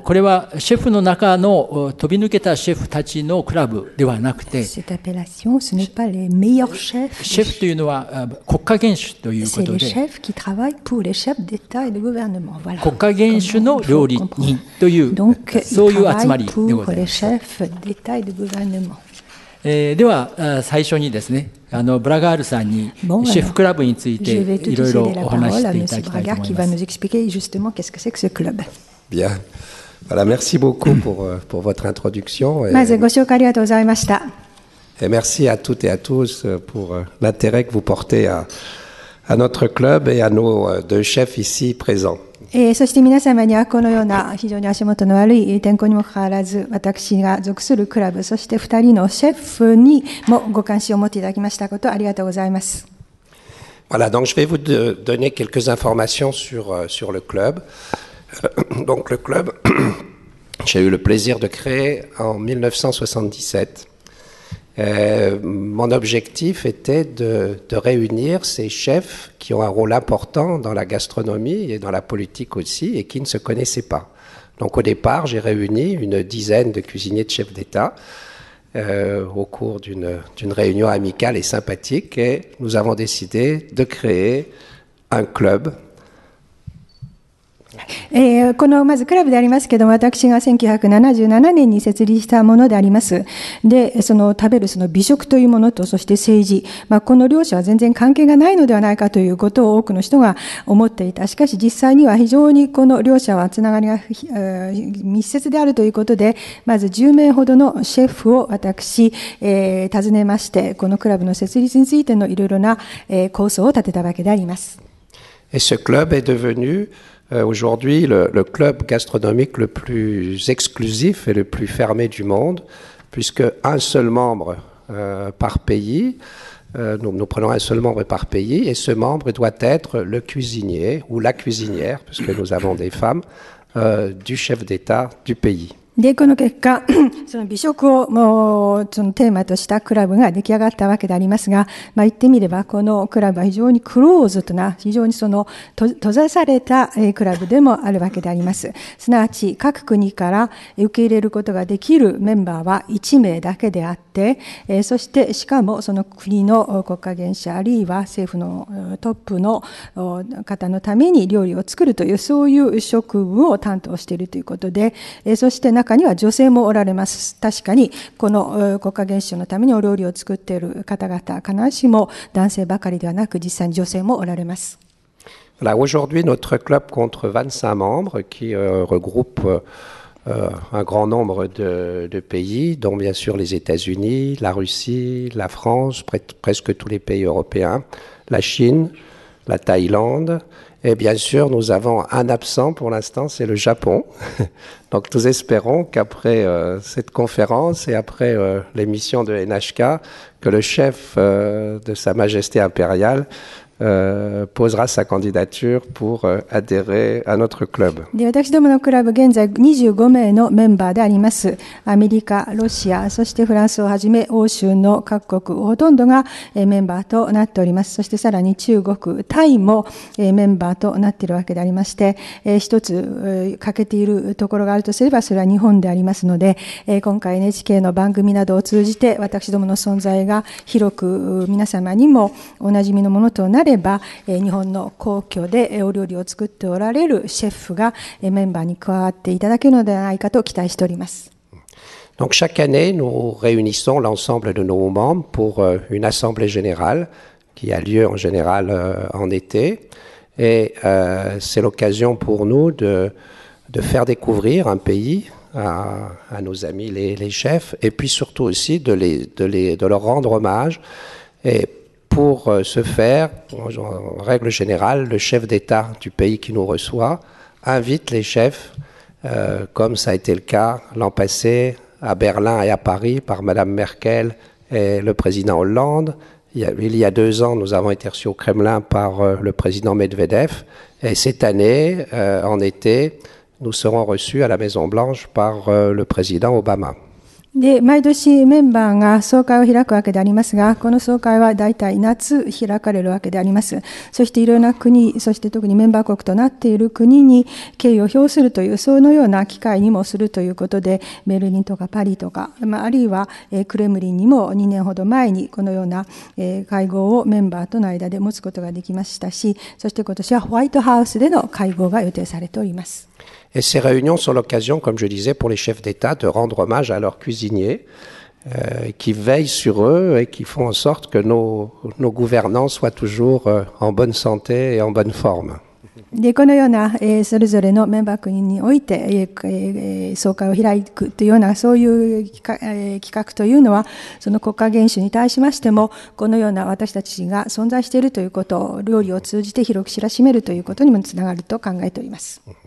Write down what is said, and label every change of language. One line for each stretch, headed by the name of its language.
Japanese: これはシェフの中の飛び抜けたシェフたちのクラブではなくて、
French: cette appellation ce n'est pas les meilleurs chefs。
Japanese: シェフというのは国家元首ということで、
French: c'est les chefs qui travaillent pour les chefs d'État et de gouvernement。 voilà。
Japanese: 国家元首の料理人という
French: Donc,
Japanese: そういう集まりでございます。
French: pour les chefs d'État et de gouvernement。
Japanese: では最初にですね、ブラガールさんにシェフクラブについていろいろお話していただきたいと思います。
French: qui va nous expliquer justement qu'est-ce que c'est que ce club. Bien. Voilà, merci beaucoup pour votre introduction.
Japanese: まずご紹介ありがとうございました。
French: Et merci à toutes et à tous pour l'intérêt que vous portez à notre club et à nos deux chefs ici présents.
Japanese: そして皆様にはこのような非常に足元の悪い天候にもかかわらず私が属するクラブそして2人のシェフにもご関心を持っていただきましたことありがとうございます。
French: Voilà, donc je vais vous donner quelques informations sur le club. Donc le club, j'ai eu le plaisir de créer en 1977. Mon objectif était de réunir ces chefs qui ont un rôle important dans la gastronomie et dans la politique aussi et qui ne se connaissaient pas. Donc au départ, j'ai réuni une dizaine de cuisiniers de chefs d'État au cours d'une réunion amicale et sympathique et nous avons décidé de créer un club.
Japanese: このまずクラブでありますけども私が1977年に設立したものであります。でその食べるその美食というものとそして政治、まあ、この両者は全然関係がないのではないかということを多くの人が思っていた。しかし実際には非常にこの両者はつながりが密接であるということでまず10名ほどのシェフを私、訪ねましてこのクラブの設立についてのいろいろな、構想を立てたわけであります。このクラブは
French: devenuAujourd'hui, le club gastronomique le plus exclusif et le plus fermé du monde, puisque un seul membre par pays, nous prenons un seul membre par pays, et ce membre doit être le cuisinier ou la cuisinière, puisque nous avons des femmes, du chef d'État du pays.
Japanese: でこの結果その美食をもうそのテーマとしたクラブが出来上がったわけでありますが、まあ、言ってみればこのクラブは非常にクローズドな非常にその閉ざされたクラブでもあるわけであります。すなわち各国から受け入れることができるメンバーは1名だけであって、そしてしかもその国の国家元首あるいは政府のトップの方のために料理を作るというそういう職務を担当しているということで、そして中には女性もおられます。確かにこの国家元首のためにお料理を作っている方々、必ずしも男性ばかりではなく、実際に女性もおられます。
French: Voilà, aujourd'hui, notre club compte 25 membres qui regroupent un grand nombre de pays, dont bien sûr les États-Unis, la Russie, la France, presque tous les pays européens, la Chine, la Thaïlande. Et bien sûr, nous avons un absent pour l'instant, c'est le Japon. Donc nous espérons qu'après cette conférence et après l'émission de NHK, que le chef de Sa Majesté impériale posera sa candidature pour adhérer à notre club.
Japanese: で、私どものクラブ現在25名のメンバーであります。アメリカ、ロシア、そしてフランスをはじめ欧州の各国ほとんどがメンバーとなっております。そしてさらに中国、タイもメンバーとなっているわけでありまして、一つ欠けているところがあるとすればそれは日本でありますので、今回 NHK の番組などを通じて私どもの存在が広く皆様にもおなじみのものとなれば、日本の皇居でお料理を作っておられるシェフがメンバーに加わっていただけるのではないかと期待しております。
French: Donc chaque année, nous réunissons l'ensemble de nos membres pour une assemblée générale qui a lieu en général en été. Et c'est l'occasion pour nous de faire découvrir un pays à nos amis les chefs et puis surtout aussi de leur rendre hommage. Et pour ce faire, en règle générale, le chef d'État du pays qui nous reçoit invite les chefs, comme ça a été le cas l'an passé à Berlin et à Paris par Madame Merkel et le président Hollande. Il y a deux ans, nous avons été reçus au Kremlin par le président Medvedev. Et cette année, en été, nous serons reçus à la Maison Blanche par le président Obama.
Japanese: で毎年メンバーが総会を開くわけでありますが、この総会はだいたい夏開かれるわけであります。そしていろいろな国、そして特にメンバー国となっている国に敬意を表するという、そのような機会にもするということで、ベルリンとかパリとか、まあ、あるいはクレムリンにも2年ほど前にこのような会合をメンバーとの間で持つことができましたし、そして今年はホワイトハウスでの会合が予定されております。
French: Et ces réunions sont l'occasion, comme je disais, pour les chefs d'État de rendre hommage à leurs cuisiniers qui veillent sur eux et qui font en sorte que nos gouvernants soient toujours en bonne santé et en bonne forme.
Japanese: でこのようなそれぞれのメンバー国において総会を開くというようなそういう企画というのはその国家元首に対しましてもこのような私たちが存在しているということを料理を通じて広く知らしめるということにもつながると考えております。